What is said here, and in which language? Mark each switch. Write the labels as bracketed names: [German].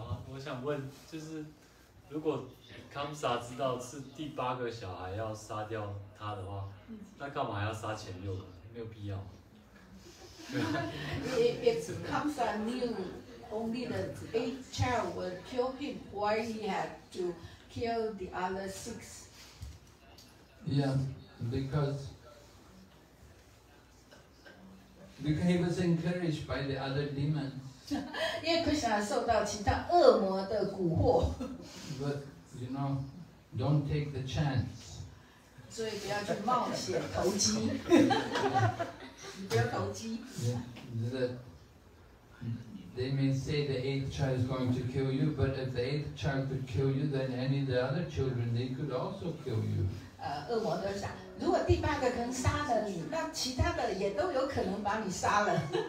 [Chinese] 我想问，就是如果康萨知道是第八个小孩要杀掉他的话，那干嘛要杀前六个？没有必要。 [English] If Kamsa knew only the eighth child would kill him, why he had to kill the other six? Yeah, because he was encouraged by the other demons. [Chinese] 因为 Krishna 受到其他恶魔的蛊惑。 [English] But you know, don't take the chance. [Chinese] 所以不要去冒险投机。你不要投机。 [English] Yeah, that They may say the eighth child is going to kill you, but if the eighth child could kill you, then any of the other children, they could also kill you. [Chinese] 恶魔都想，如果第八个能杀了你，那其他的也都有可能把你杀了。